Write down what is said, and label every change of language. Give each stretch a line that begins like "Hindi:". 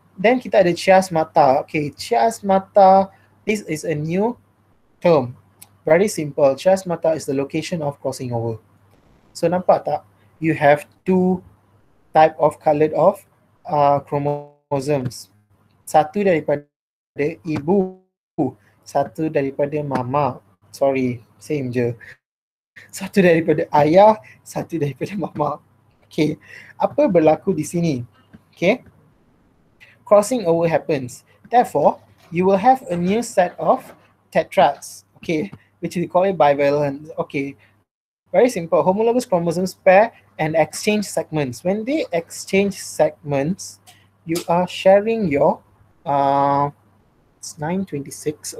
English: Then
Malay: kita ada
English: chiasmata. Okay, chiasmata, this is a new term. Very simple. Chest mata is the location of crossing over. So
Malay: nampak tak?
English: You have two type of colored of chromosomes.
Malay: Satu daripada ibu, satu daripada mama.
English: Sorry, same
Malay: je. Satu daripada ayah, satu daripada mama. Okay, apa berlaku di sini?
English: Okay, crossing over happens. Therefore, you will have a new set of tetrads. Okay, which we call it bivalent. Okay, very simple. Homologous chromosomes pair and exchange segments. When they exchange segments, you are sharing your it's 926.